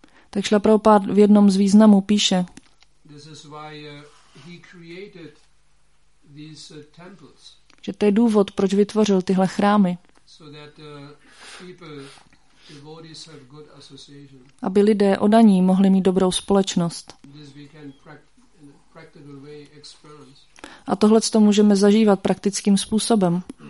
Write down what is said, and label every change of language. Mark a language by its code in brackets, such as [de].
[cs] Tak Srila Prabhupada v jednom z významů píše. [en] This is why he created these temples. [cs] Že to je důvod, proč vytvořil tyhle chrámy. [en] So that people, devotees have good association. [cs] Aby lidé odaní mohli mít dobrou společnost. [en] This we can in a practical way experience. [cs] A tohle to můžeme zažívat praktickým způsobem.